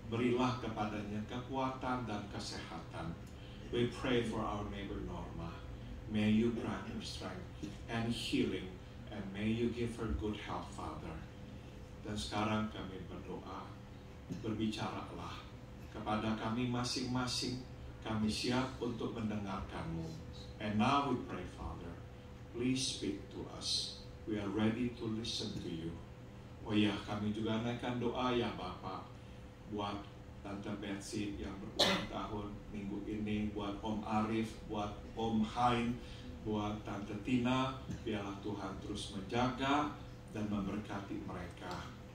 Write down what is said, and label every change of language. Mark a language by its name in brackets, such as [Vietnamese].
[Indonesian] Berilah kepadanya kekuatan dan kesehatan. [English] We pray for our neighbor, Norma. May you grant her strength and healing, and may you give her good health, Father. [Indonesian] Dan sekarang kami berdoa, berbicaralah kepada kami masing-masing, kami siap untuk mendengarkanmu. [English] And now we pray, Father, please speak to us. We are ready to listen to you. [Indonesian] Oh ya, kami juga naikkan doa ya Bapa, buat Tante Betsy yang berulang tahun minggu ini, buat Om Arif, buat Om Hain, buat Tante Tina, biarlah Tuhan terus menjaga dan memberkati mereka.